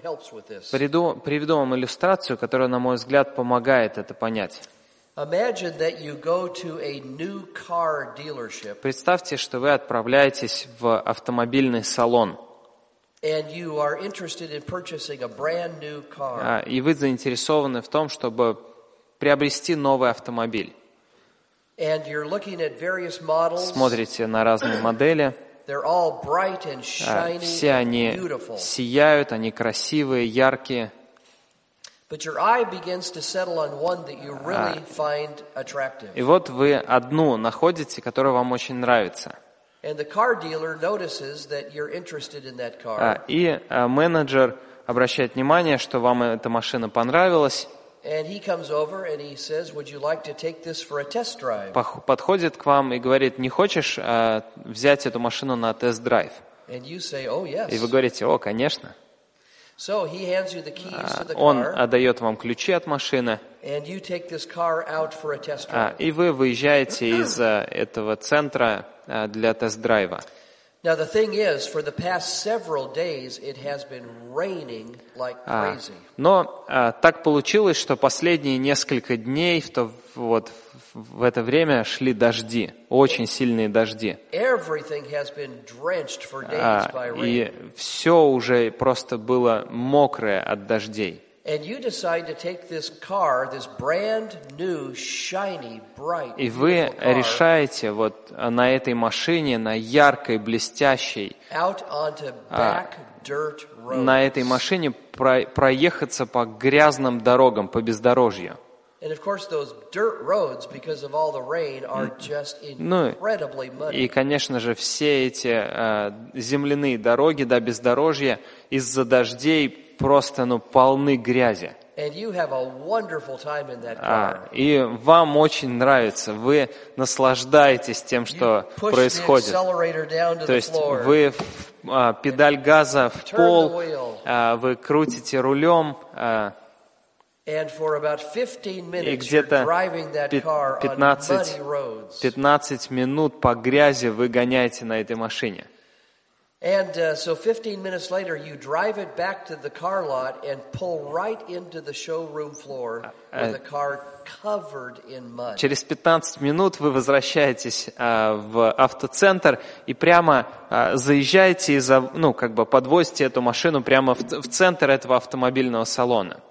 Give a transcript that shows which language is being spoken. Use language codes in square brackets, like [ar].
[ru] Приведу вам иллюстрацию, которая, на мой взгляд, помогает это понять. [en] Imagine that you go to a new car dealership. [ru] Представьте, что вы отправляетесь в автомобильный салон. [en] And you are interested in purchasing a brand new car. [ru] И вы заинтересованы в том, чтобы приобрести новый автомобиль. [en] And you're looking at various models. [ru] Смотрите на разные модели. [en] They're all bright and shiny. [ru] Все они сияют, они красивые, яркие. [en] But your eye begins to settle on one that you really find attractive. [ru] И вот вы одну находите, которая вам очень нравится. [en] And the car dealer notices that you're interested in that car. [ru] И менеджер обращает внимание, что вам эта машина понравилась. [en] And he comes over and he says, "Would you like to take this for a test drive?" [ru] Подходит к вам и говорит: "Не хочешь взять эту машину на тест-драйв?" [en] And you say, "Oh, yes." [ru] И вы говорите: "О, конечно." [en] So he hands you the keys to the car. [ru] Он отдает вам ключи от машины. [en] And you take this car out for a test drive. [ru] И вы выезжаете из этого центра для тест-драйва. [en] Now the thing is, for the past several days, it has been raining like crazy. [ru] Но так получилось, что последние несколько дней в это время шли дожди, очень сильные дожди. [en] Everything has been drenched for days by rain. [ru] И все уже просто было мокрое от дождей. [en] And you decide to take this car, this brand new, shiny, bright. [ru] И вы решаете вот на этой машине, на яркой, блестящей. [en] Out onto back dirt roads. [ru] На этой машине проехаться по грязным дорогам, по бездорожью. [en] And of course, those dirt roads, because of all the rain, are just incredibly muddy. [ru] И, конечно же, все эти земляные дороги, да, бездорожья, из-за дождей просто, полны грязи. [en] And you have a wonderful time in that car. [ru] И вам очень нравится, вы наслаждаетесь тем, что происходит. [en] You push the accelerator down to the floor. [ru] То есть вы педаль газа в пол, вы крутите рулем. [en] And for about 15 minutes you're driving that car on muddy roads. [ru] 15 минут по грязи вы гоняете на этой машине. [en] And so 15 minutes later you drive it back to the car lot and pull right into the showroom floor with the car covered in mud. [ru] Через 15 минут вы возвращаетесь в автоцентр и прямо заезжаете и подвозите эту машину прямо в центр этого автомобильного салона.